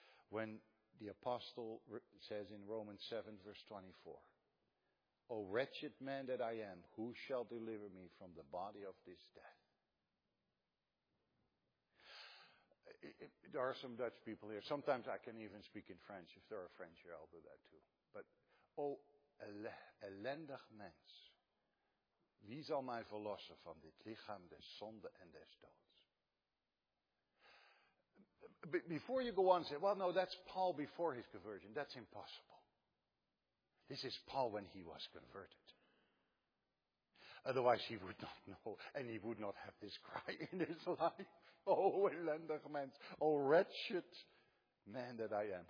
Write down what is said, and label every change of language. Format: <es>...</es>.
<en>When the Apostle says in Romans 7, verse 24, O wretched man that I am, who shall deliver me from the body of this death? There are some Dutch people here. Sometimes I can even speak in French. If there are French here, I'll do that too.</en> <nl>But, O ellendig mens, wie zal mij verlossen van dit lichaam des zonde en des doods?</nl> <en>Before you go on and say, well, no, that's Paul before his conversion. That's impossible. This is Paul when he was converted. Otherwise, he would not know and he would not have this cry in his life.</en> <nl>Oh, ellendig mens,</nl> <en>oh, wretched man that I am.</en>